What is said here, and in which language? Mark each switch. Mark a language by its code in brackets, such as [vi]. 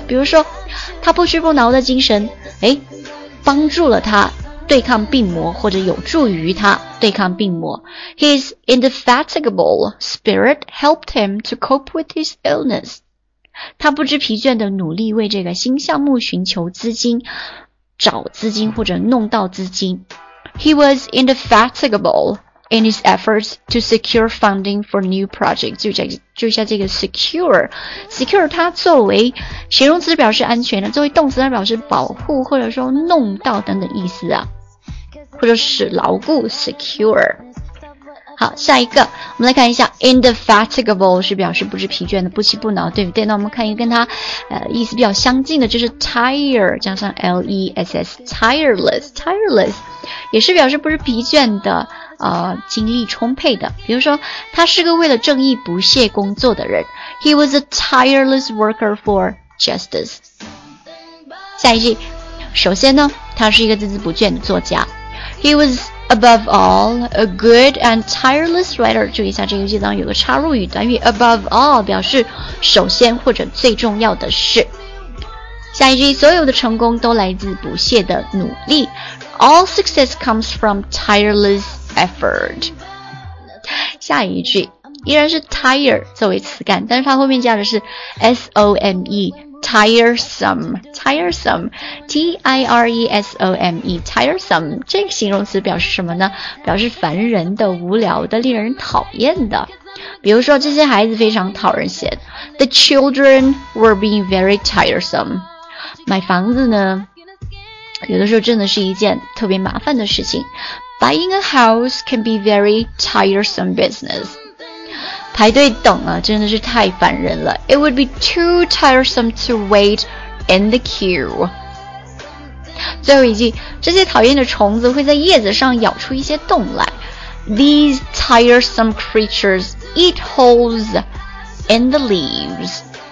[zh] 比如说他不屈不挠的精神帮助了他对抗病魔，或者有助于他对抗病魔。 [en] His indefatigable spirit helped him to cope with his illness. [zh] 他不知疲倦的努力为这个新项目寻求资金，找资金或者弄到资金。 [en] He was indefatigable in his efforts to secure funding for new projects. [zh] 就像这个 secure 它作为形容词表示安全的，作为动词它表示保护或者说弄到等等意思啊，或者是牢固 secure。好，下一个我们来看一下 indefatigable 是表示不知疲倦的，不屈不挠，对不对？那我们看一个跟它意思比较相近的，就是 tire 加上 less, tireless 也是表示不知疲倦的，精力充沛的。比如说他是个为了正义不懈工作的人。 [en] He was a tireless worker for justice. [zh] 下一句，首先呢他是一个孜孜不倦的作家。 [en] He was above all a good and tireless writer. [zh] 注意一下这个句子当中有个插入语短语 above all, 表示首先或者最重要的是。下一句，所有的成功都来自不懈的努力。 [en] All success comes from tirelesseffort. [zh] 下一句依然是 tire 作为词干，但是它后面加的是 some, tiresome, T-I-R-E-S-O-M-E, tiresome, 这个形容词表示什么呢？表示烦人的、无聊的、令人讨厌的。比如说这些孩子非常讨人嫌。 [en] The children were being very tiresome. [zh] 买房子呢有的时候真的是一件特别麻烦的事情。 [en] Buying a house can be very tiresome business. [zh] 排队等啊，真的是太烦人了。 [en] It would be too tiresome to wait in the queue. [zh] 最后一句，这些讨厌的虫子会在叶子上咬出一些洞来。 [en] These tiresome creatures eat holes in the leaves.